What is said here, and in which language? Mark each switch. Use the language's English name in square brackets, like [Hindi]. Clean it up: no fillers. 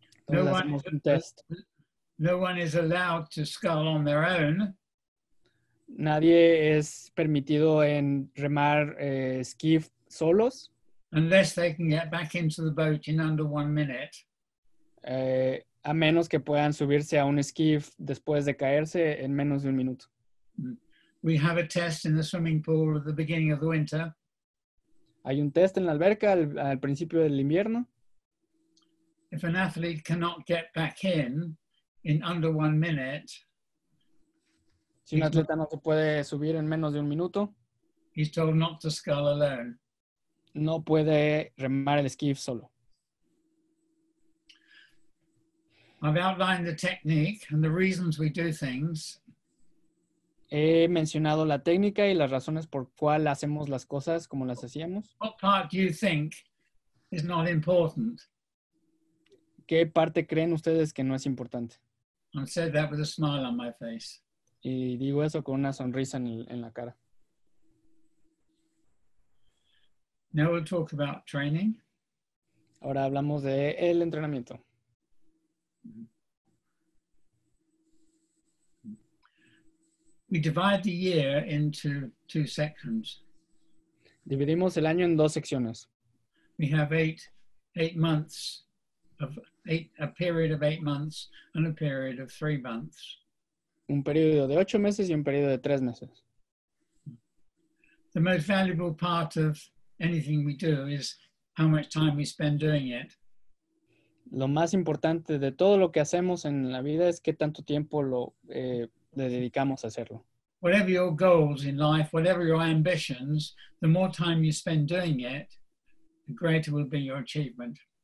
[English] No one is allowed to scull on their own. [Spanish] Nadie es permitido en remar skiff solos. [English] Unless they can get back into the boat in under 1 minute. [Spanish] A menos que puedan subirse a un skiff después de caerse en menos de un minuto. [English] We have a test in the swimming pool at the beginning of the winter. [Spanish] Hay un test en la alberca al principio del invierno. [English] If an athlete cannot get back in under 1 minute. [Spanish] Si un atleta no se puede subir en menos de un minuto. [English] He's told not to scull alone. [Spanish] No puede remar el skiff solo. [English] I've outlined the technique and the reasons we do things. [Spanish] He mencionado la técnica y las razones por cual hacemos las cosas como las hacíamos. [English] What part do you think is not important? [Spanish] ¿Qué parte creen ustedes que no es importante? [English] I said that with a smile on my face. [Spanish] Y digo eso con una sonrisa en la cara. [English] Now we'll talk about training. [Spanish] Ahora hablamos de el entrenamiento. [English] We divide the year into two sections. [Spanish] Dividimos el año en dos secciones. [English] We have eight months a period of 8 months and a period of 3 months. [Spanish] Un periodo de 8 meses y un periodo de 3 meses. [English] The most valuable part of anything we do is how much time we spend doing it. [Spanish] Lo más importante de todo lo que hacemos en la vida es qué tanto tiempo le dedicamos a hacerlo. [English] Whatever your goals in life, whatever your ambitions, the more time you spend doing it, the greater will be your achievement.